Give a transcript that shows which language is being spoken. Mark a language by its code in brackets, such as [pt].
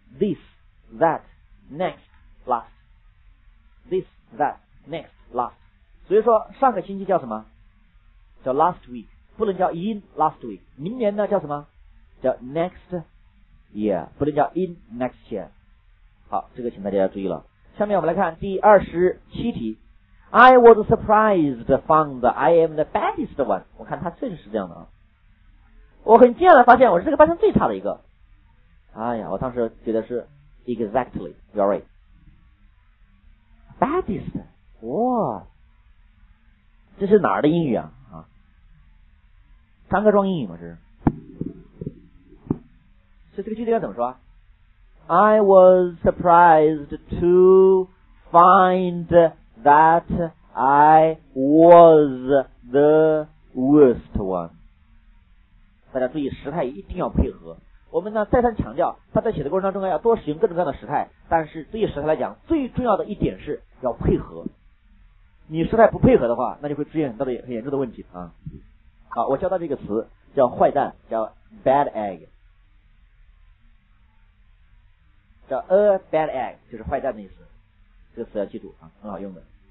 [en] this that next last， this that next last， [zh] 所以说上个星期叫什么？叫 last week， 不能叫 in last week。明年呢叫什么？叫 next year， 不能叫 in next year。好，这个请大家注意了。下面我们来看第二十七题。 [en] I was surprised found I am the baddest one。 [zh] 我看他确实是这样的啊，我很惊讶的发现我是这个班上最差的一个。哎呀，我当时觉得是 [en] exactly you're right baddest， [zh] 哇，这是哪儿的英语啊？啊，张各庄英语吗？这是，这个句子该怎么说？ [en] I was surprised to find that I was the worst one。 [zh] 大家注意时态一定要配合，我们呢再三强调他在写的过程当中要多使用各种各样的时态，但是对于时态来讲最重要的一点是要配合，你时态不配合的话那就会出现很大的很严重的问题啊。好，我教到这个词叫坏蛋，叫 bad egg， 叫 a bad egg 就是坏蛋的意思，这个词要记住啊，很好用的。